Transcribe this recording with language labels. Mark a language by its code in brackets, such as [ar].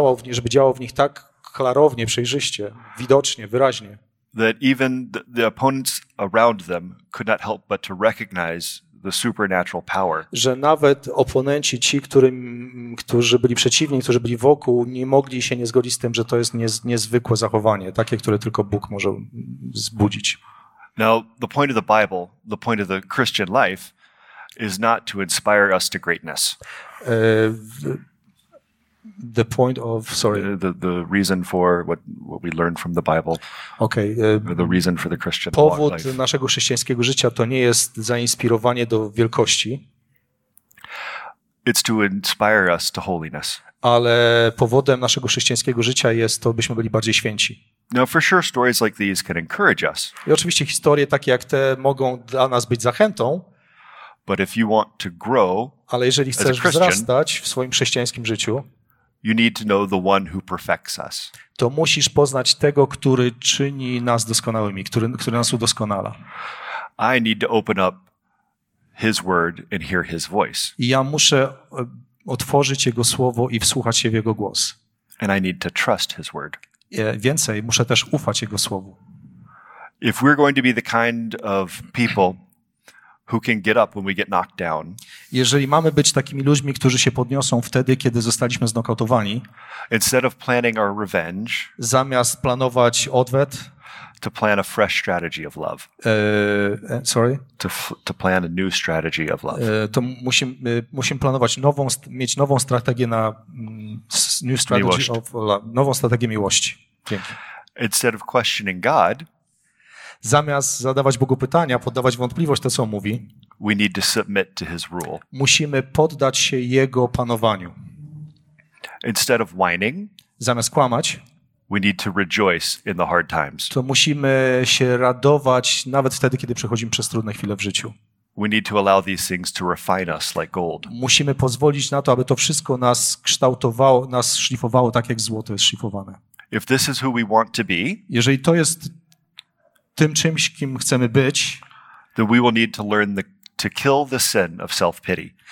[pl] Żeby działał w nich tak klarownie, przejrzyście, widocznie, wyraźnie. [en] That even the opponents around them could not help but to recognize the supernatural power. [pl] Że nawet oponenci, ci, którzy byli przeciwni, którzy byli wokół, nie mogli się nie zgodzić z tym, że to jest niezwykłe zachowanie, takie, które tylko Bóg może wzbudzić. [en] Now, the point of the Bible, the point of the Christian life, is not to inspire us to greatness. The point of, sorry. The reason for what we learn from the Bible, or the reason for the Christian [pl] Powód [en] life. [pl] Naszego chrześcijańskiego życia to nie jest zainspirowanie do wielkości, [en] It's to inspire us to holiness. [pl] ale powodem naszego chrześcijańskiego życia jest to, byśmy byli bardziej święci. [en] Now, for sure, stories like these can encourage us. [pl] I oczywiście historie takie jak te mogą dla nas być zachętą, [en] But if you want to grow [pl] ale jeżeli [en] as a [pl] chcesz wzrastać w swoim chrześcijańskim życiu, [en] you need to know the one who perfects us. [pl] to musisz poznać tego, który czyni nas doskonałymi, który nas udoskonala. [en] I need to open up his word and hear his voice. [pl] I ja muszę otworzyć jego słowo i wsłuchać się w jego głos. [en] And I need to trust his word. [pl] Więcej, muszę też ufać jego słowu. [en] If we're going to be the kind of people who can get up when we get knocked down. [pl] Jeżeli mamy być takimi ludźmi, którzy się podniosą wtedy, kiedy zostaliśmy znokautowani, [en] instead of planning our revenge, [pl] zamiast planować odwet, [en] to plan a fresh strategy of love. Sorry? To plan a new strategy of love. [pl] To musimy planować nową, mieć nową strategię na [en] new strategy [pl] Miłość. [en] Of love, [pl] nową strategię miłości. Dzięki. [en] Instead of questioning God, [pl] zamiast zadawać Bogu pytania, poddawać wątpliwość to, co on mówi, [en] We need to submit to his rule. [pl] Musimy poddać się jego panowaniu. [en] Instead of whining, [pl] zamiast kłamać, [en] we need to rejoice in the hard times. [pl] To musimy się radować nawet wtedy, kiedy przechodzimy przez trudne chwile w życiu. [en] We need to allow these things to refine us like gold. [pl] Musimy pozwolić na to, aby to wszystko nas kształtowało, nas szlifowało tak jak złoto jest szlifowane. [en] If this is who we want to be, [pl] jeżeli to jest tym czymś, kim chcemy być, [en] then we will need to learn to kill the sin of self-pity.